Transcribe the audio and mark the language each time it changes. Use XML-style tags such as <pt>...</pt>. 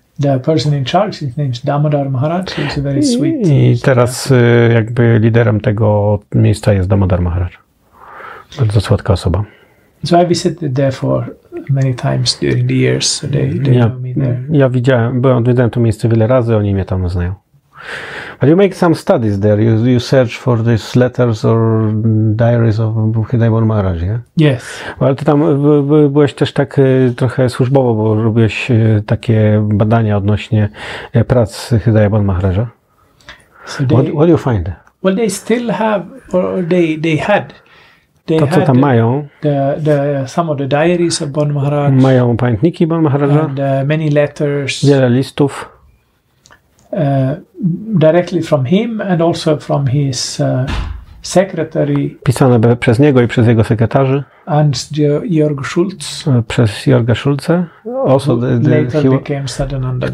<en>The person in charge, his name is Damodar Maharaj. He's a very sweet.</en> <pl>I teraz jakby liderem tego miejsca jest Damodar Maharaj. Bardzo słodka osoba.</pl> <en>So I visited there for many times during the years. So they know me there.</en> <pl>Ja widziałem to miejsce wiele razy. Oni mnie tam znają.</pl> <en>But you make some studies there. You search for these letters or diaries of Hidaibon Maharaj, yeah? Yes.</en> <pl>Ale ty tam byłeś też tak trochę służbowo, bo robiłeś takie badania odnośnie prac Hidaibon Maharaja.</pl> <en>What do you find? Well, they still have, or they had. They</en> <pl>to, co</pl> <en>had</en> <pl>tam mają.</pl> <en>Some of the diaries of Bon Maharaj.</en> <pl>Mają pamiętniki Bon Maharaja.</pl> <en>And many letters.</en> <pl>Wiele listów.</pl> <en>Directly from him and also from his secretary.</en> <pl>Pisane przez niego i przez jego sekretarzy.</pl> <en>And Jörg Schulz.</en> <pl>Przez Jörga Schulze.</pl> <en>Also later became Sadananda Das.</en>